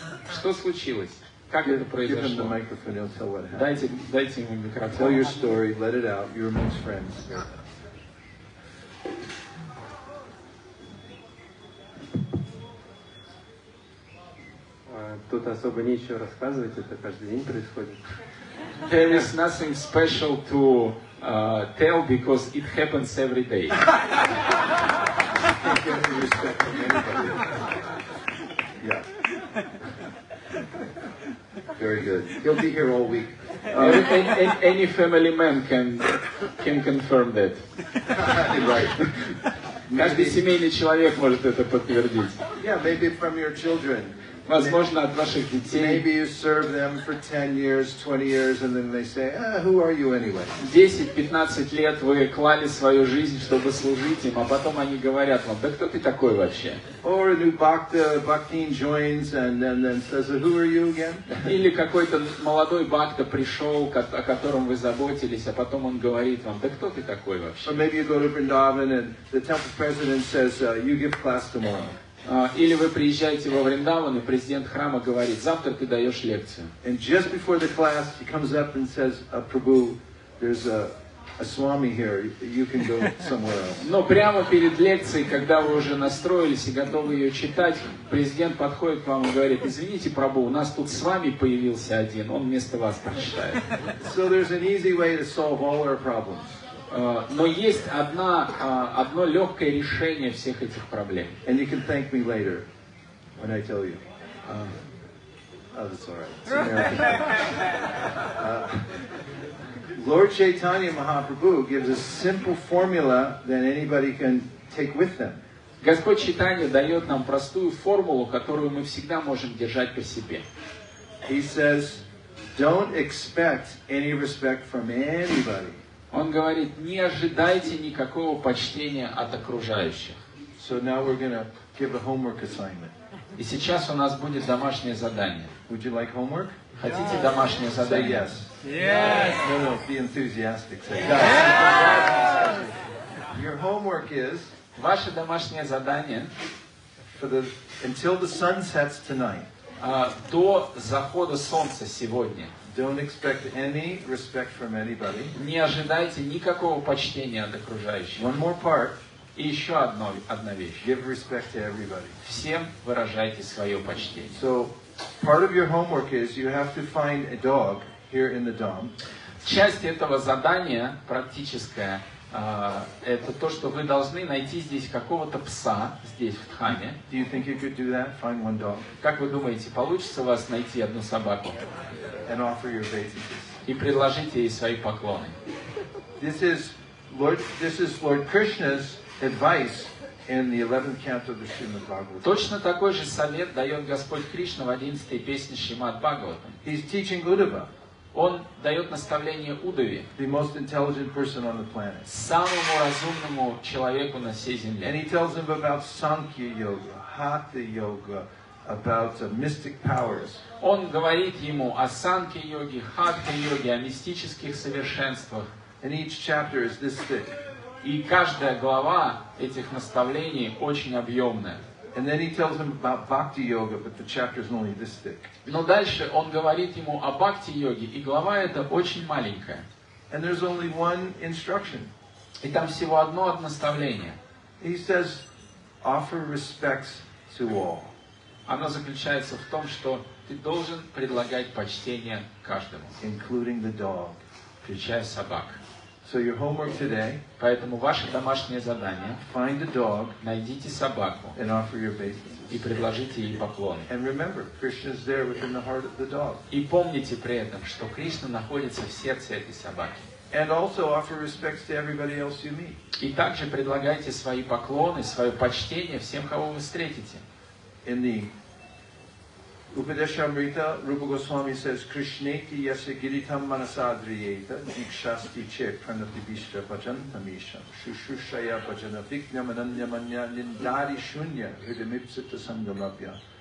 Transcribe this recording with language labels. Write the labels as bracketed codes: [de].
[ru] Что случилось? Как это произошло? Дайте ему микрофон. [en] Tell your story, let it out. You're amongst friends. [ru] Тут особо нечего рассказывать, это каждый день происходит. [en] There is nothing special to tell because it happens every day. Yeah. Very good. He'll be here all week. Any family man can confirm that. Right. [ru] Каждый семейный человек может это подтвердить. [en] Yeah, maybe from your children. [ru] возможно, от ваших детей. [en] Maybe you serve them for 10 years, 20 years, and then they say, who are you anyway? [ru] 10-15 лет вы клали свою жизнь, чтобы служить им, а потом они говорят вам, да кто ты такой вообще? [en] Or a new bhaktin joins and then says, who are you again? [ru] Или какой-то молодой бхакта пришел, о котором вы заботились, а потом он говорит вам, да кто ты такой вообще? [en] Or maybe you go to Vrindavan and the temple president says, you give class tomorrow. [ru] Или вы приезжаете во Вриндаван, и президент храма говорит, завтра ты даешь лекцию. [en] And just before the class, he comes up and says, Prabhu, there's a swami here, you can go somewhere else. [ru] Но прямо перед лекцией, когда вы уже настроились и готовы ее читать, президент подходит к вам и говорит, извините, Прабу, у нас тут свами появился один, он вместо вас прочитает. [en] So there's an easy way to solve all our problems. [ru] Но есть одно легкое решение всех этих проблем. [en] And you can thank me later when I tell you. Oh, that's all right. It's American. Lord Chaitanya Mahaprabhu gives a simple formula that anybody can take with them. [ru] Господь Чайтанья дает нам простую формулу, которую мы всегда можем держать при себе. [en] He says, don't expect any respect from anybody. [ru] Он говорит, не ожидайте никакого почтения от окружающих. [en] So now we're gonna give a homework assignment. [ru] И сейчас у нас будет домашнее задание. [en] Would you like homework? [ru] Хотите [en] yes. [ru] домашнее задание? [en] Say yes. Yes. No, no, be enthusiastic. Say yes. Yes. Your homework is. [ru] Ваше домашнее задание. [en] Until the sun sets tonight. [ru] До захода солнца сегодня. [en] Don't expect any respect from anybody. [ru] Не ожидайте никакого почтения от окружающих. [en] One more part. [ru] И еще одна вещь. [en] Give respect to everybody. [ru] Всем выражайте свое почтение. [en] So, part of your homework is you have to find a dog here in the dom. [ru] Часть этого задания практическая. Это то, что вы должны найти здесь какого-то пса здесь в Дхаме. [en] Do you think you could do that? Find one dog. [ru] Как вы думаете, получится у вас найти одну собаку? [en] And offer your obeisances. [ru] И предложите ей свои поклоны. [en] This is Lord Krishna's advice in the 11th canto of the Srimad Bhagavatam. [ru] Точно такой же совет дает Господь Кришна в 11-й песне Шримад Бхагаватам. [en] He's teaching Uddhava. [ru] Он дает наставление Удаве, [en] the most intelligent person on the planet. [ru] Самому разумному человеку на всей земле. [en] And he tells him about Sankhya Yoga, Hatha Yoga, about mystic powers. [ru] Он говорит ему о Sankhya Йоге, Хатха Йоге, о мистических совершенствах. [en] And each chapter is this thick. [ru] И каждая глава этих наставлений очень объемная. [en] And then he tells him about bhakti yoga, but the chapter is only this thick. [ru] Но дальше он говорит ему о бхакти йоге, и глава эта очень маленькая. [en] And there's only one instruction. [ru] И там всего одно наставление. [en] He says, offer respects to all. [ru] Оно заключается в том, что ты должен предлагать почтение каждому, [en] including the dog, [ru] включая собак. [en] So your homework today. [ru] Поэтому ваше домашнее задание. [en] Find a dog. [ru] Найдите собаку. [en] And offer your obeisances. [ru] И предложите ей поклон. [en] And remember, Krishna is there within the heart of the dog. [ru] И помните при этом, что Кришна находится в сердце этой собаки. [en] And also offer respects to everybody else you meet. [ru] И также предлагайте свои поклоны, свое почтение всем, кого вы встретите. [en] In the Upadeshamrita, Rupa Goswami says, [sa] Krishneti yasya giritam manasadriyeta, dikshasti che pranatibhishtra bhajantamisham, shushushaya bhajana viknyamananyamanya nindari shunya hridamipsita sangamabhya.